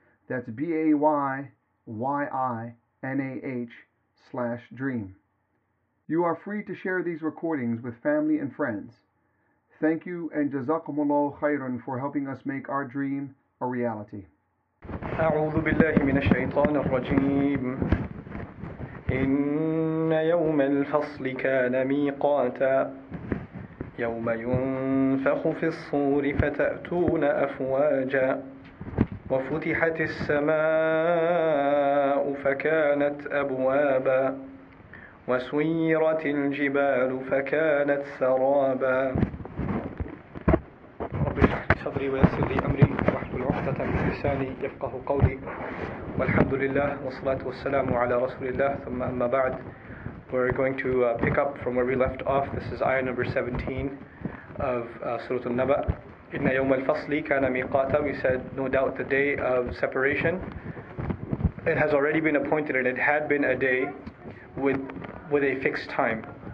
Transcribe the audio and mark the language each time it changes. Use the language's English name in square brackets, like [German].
[English] That's BAYYINAH/dream. You are free to share these recordings with family and friends. Thank you and [Arabic] Jazakumullahu khairan [English] for helping us make our dream a reality. [Arabic] A'udhu billahi minash shaitanir rajim. إن يوم الفصل كان ميقاتا يوم ينفخ في الصور فتأتون أفواجا وفتحت السماء فكانت أبوابا وسيرت الجبال فكانت سرابا صدري ويسر لي أمري واحلل عقدة من لساني يفقه قولي والحمد لله والصلاة والسلام على رسول الله ثم أما بعد. [English] We're going to pick up from where we left off. This is ayah number 17 of Surah An-Naba. [Arabic] إِنَّ يَوْمَ الْفَصْلِ كَانَ مِيقَاتَ. [English] We said, no doubt, the day of separation. It has already been appointed, and it had been a day with a fixed time.